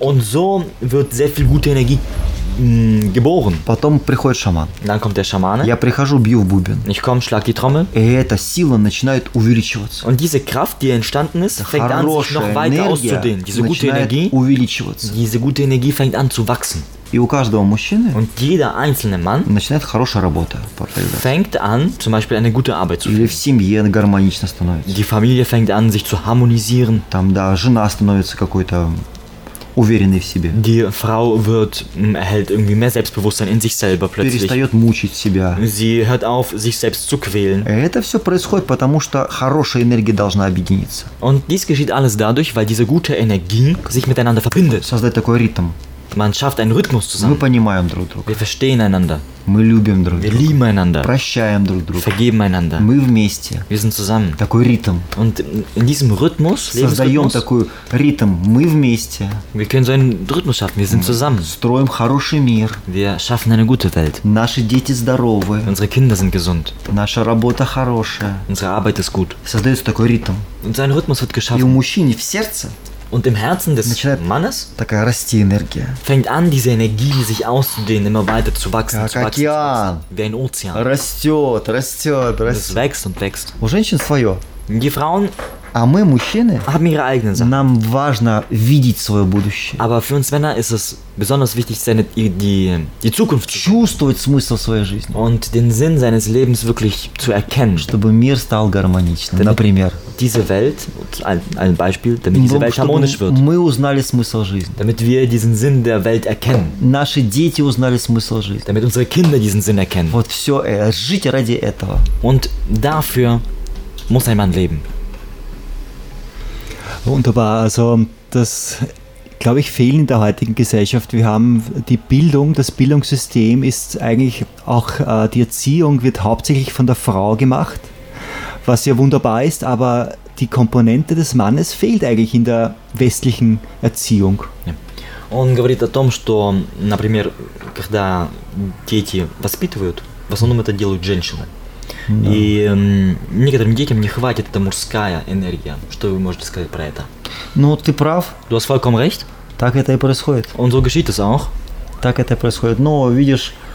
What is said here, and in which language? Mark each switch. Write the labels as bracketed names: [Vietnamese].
[German] Und so wird sehr viel gute Energie geboren. [Russian] Потом приходит шаман. [German] Dann kommt der Schamane. [Russian] Я прихожу, бью в бубен. [German] Ich komm, schlag die Trommel. [Russian] И эта сила начинает увеличиваться. [German] Und diese Kraft, die entstanden ist, fängt an, sich noch weiter auszudehnen. Diese gute Energie [Russian] увеличивается. [German] Diese gute Energie fängt an zu wachsen. [Russian] И у каждого мужчины [German] Und jeder einzelne Mann [Russian] начинает хорошая работа. [German] Fängt an, zum Beispiel eine gute Arbeit zu finden. [Russian] Или в семье гармонично становится. [German] Die Familie fängt an, sich zu harmonisieren. [Russian] Там, да, жена становится какой-то уверенный в себе. [German] Die Frau wird, erhält irgendwie mehr Selbstbewusstsein in sich selber plötzlich. [Russian] Перестает мучить себя. [German] Sie hört auf, sich selbst zu quälen. [Russian] Это все происходит, потому что хорошая энергия должна объединиться. [German] Und dies geschieht alles dadurch, weil diese gute Energie sich miteinander verbindet. [Russian] Создает такой ритм. [German] Man schafft einen Rhythmus zusammen. [Russian] Мы понимаем друг друга. [German] Wir verstehen einander. [Russian] Мы любим друг [German] Wir [Russian] друга. [German] Lieben einander. [Russian] Прощаем друг друга. [German] Vergeben einander. [Russian] Мы вместе. [German] Wir sind zusammen. [Russian] Такой ритм. [German] Und in diesem Rhythmus, [Russian] создаем такой ритм. Мы вместе. [German] Wir können so einen Rhythmus schaffen. Wir sind zusammen. [Russian] Строим хороший мир. [German] Wir schaffen eine gute Welt. [Russian] Наши дети здоровы. [German] Unsere Kinder sind gesund. [Russian] Наша работа хорошая. [German] Unsere Arbeit ist gut. [Russian] Создается такой ритм. [German] Und so ein Rhythmus wird geschaffen. [Russian] И у мужчины в сердце [German] Und im Herzen des [Russian] Начинает [German] Mannes [Russian] такая расти энергия. [German] Fängt an, diese Energie sich auszudehnen, immer weiter zu wachsen, [Russian] как [German] zu wachsen, [Russian] океан. [German] Zu wachsen, wie ein Ozean. [Russian] Растет, растет, растет. [German] Es wächst und wächst. [Russian] У женщин свое. [German] Die Frauen [Russian] а мы, мужчины, [German] haben ihre eigenen Sachen. [Russian] Нам важно видеть свое будущее. [German] Aber für uns Männer ist es besonders wichtig, seine, die Zukunft zu [Russian] чувствовать смысл своей жизни. [German] Und den Sinn seines Lebens wirklich zu erkennen. [Russian] Чтобы мир стал гармоничным, Denn например. [German] Diese Welt, ein Beispiel, damit diese Welt harmonisch wird. [Russian] Мы узнали смысл жизни. [German] Damit wir diesen Sinn der Welt erkennen. [Russian] Наши дети узнали смысл жизни. [German] Damit unsere Kinder diesen Sinn erkennen. [Russian] Вот все, жить ради этого. [German] Und dafür muss ein Mann leben. Wunderbar, also das, glaube ich, fehlt in der heutigen Gesellschaft. Wir haben die Bildung, das Bildungssystem ist eigentlich auch, die Erziehung wird hauptsächlich von der Frau gemacht. Was ja wunderbar ist, aber die Komponente des Mannes fehlt eigentlich in der westlichen Erziehung. [Russian] Он говорит о том, что, например, когда дети воспитывают, в основном это делают женщины. И некоторым детям не хватит эта мужская энергия. Что вы можете сказать про это? Ну, ты прав. [German] Du hast vollkommen recht. [Russian] Так это и происходит. [German] Und so geschieht es auch. [Russian] Так это и происходит. Но видишь,